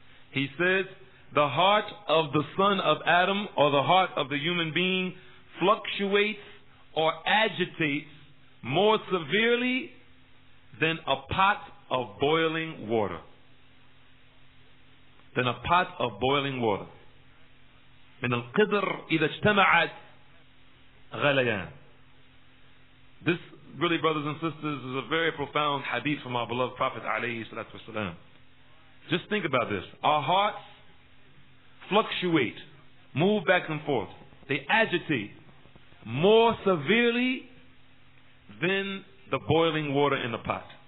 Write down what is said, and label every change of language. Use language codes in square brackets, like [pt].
[en] He said, the heart of the son of Adam, or the heart of the human being, fluctuates or agitates more severely than a pot of boiling water. Than a pot of boiling water. [ar] من القدر إذا اجتمعت غليان. [en] This really, brothers and sisters, is a very profound hadith from our beloved Prophet alayhi salatu wasalam. Just think about this. Our hearts fluctuate, move back and forth. They agitate more severely than the boiling water in the pot.